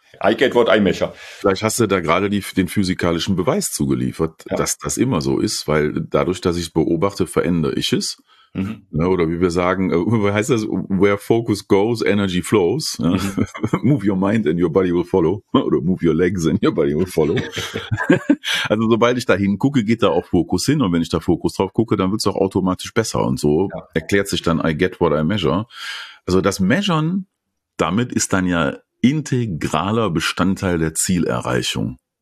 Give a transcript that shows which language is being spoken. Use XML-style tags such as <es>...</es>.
<de>Vielleicht hast du da gerade den physikalischen Beweis zugeliefert, dass das immer so ist, weil dadurch, dass ich es beobachte, verändere ich es. Oder wie wir sagen, wie heißt das?</de> <en>Where focus goes, energy flows. Move your mind and your body will follow. Oder move your legs and your body will follow.</en> <de>Also sobald ich da hingucke, geht da auch Fokus hin. Und wenn ich da Fokus drauf gucke, dann wird es auch automatisch besser. Und so erklärt sich dann I get what I measure. Also das Measuren, damit ist dann ja integraler Bestandteil der Zielerreichung.</de>